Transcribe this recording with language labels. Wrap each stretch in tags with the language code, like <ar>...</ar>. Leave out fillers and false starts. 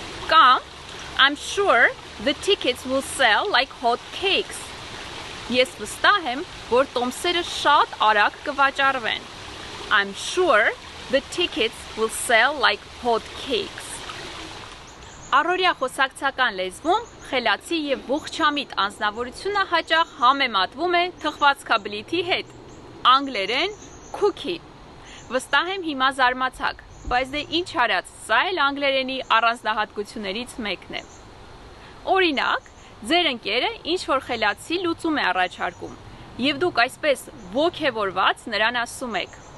<hy>Կամ,</hy> <en>I'm sure the tickets will sell like hot cakes.</en> <hy>Ես վստահ եմ, որ տոմսերը շատ արագ կվաճառվեն.</hy> <en>I'm sure the tickets will sell like hot cakes.</en> <hy>Առօրյա խոսակցական լեզվում խելացի և ողջամիտ անձնավորությունը հաճախ համեմատվում է թխվածքաբլիթի հետ։ Անգլերեն cookie։ Վստահ եմ հիմա զարմացաք, բայց դե ինչ արած, սա էլ անգլերենի առանձնահատկություններից մեկն է։ Օրինակ, ձեր ընկերը ինչ-որ խելացի լուծում է առաջարկում, և դուք այսպես ոգևորված նրան ասում եք.</hy>